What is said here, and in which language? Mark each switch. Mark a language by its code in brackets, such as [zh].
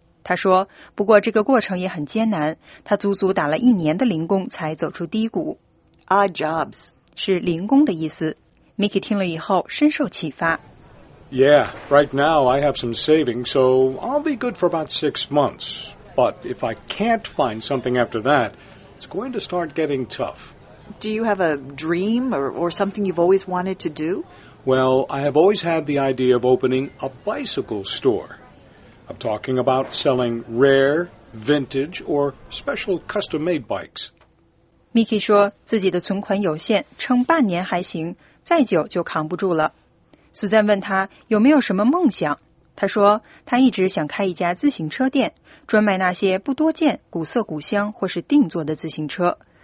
[zh] 他说，不过这个过程也很艰难，他足足打了一年的零工才走出低谷。 [en] Odd jobs. [zh] 是零工的意思。 Miki 听了以后深受启发。 [en] Yeah, right now I have some savings, so I'll be good for about 6 months. But if I can't find something after that, it's going to start getting tough. Do you have a dream or something you've always wanted to do? Well, I have always had the idea of opening a bicycle store. I'm talking about selling rare, vintage, or special custom-made bikes. [zh] Mickey 说自己的存款有限，撑半年还行，再久就扛不住了。 Suzanne 问他有没有什么梦想，他说他一直想开一家自行车店，专卖那些不多见、古色古香或是定做的自行车。